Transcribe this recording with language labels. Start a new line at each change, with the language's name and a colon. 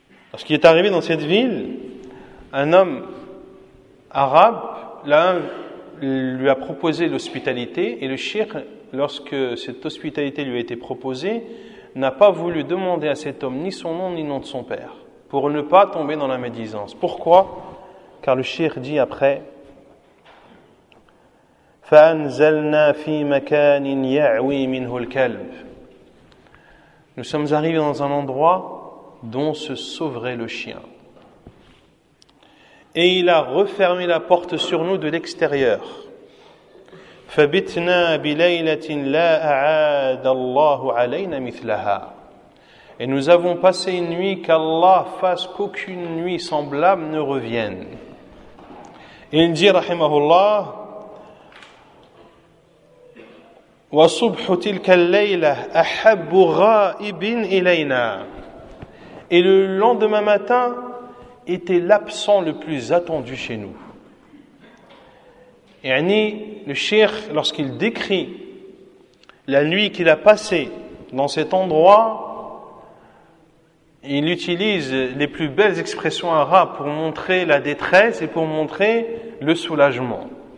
French: Parce qu'il est arrivé dans cette ville, un homme arabe lui a proposé l'hospitalité et le cheikh, lorsque cette hospitalité lui a été proposée, n'a pas voulu demander à cet homme ni son nom ni le nom de son père pour ne pas tomber dans la médisance. Pourquoi? Car le cheikh dit après:
Arabic: فَأَنْزَلْنَا فِي مَكَانٍ يَعْوِي مِنْهُ الْكَلْبِ.
French: Nous sommes arrivés dans un endroit dont se sauverait le chien. Et il a refermé la porte sur nous de l'extérieur.
Arabic: فَبِتْنَا بِلَيْلَةٍ لَا أَعَادَ اللَّهُ عَلَيْنَا مِثْلَهَا.
French: Et nous avons passé une nuit qu'Allah fasse qu'aucune nuit semblable ne revienne. Il dit, rahimahullah,
Arabic: وصبح تلك الليلة أحب غائب إلينا.
French: Et le lendemain matin était l'absent le plus attendu chez nous. Yani, le cheikh, lorsqu'il décrit la nuit qu'il a passée dans cet endroit, il utilise les plus belles expressions arabes pour montrer la détresse et pour montrer le soulagement.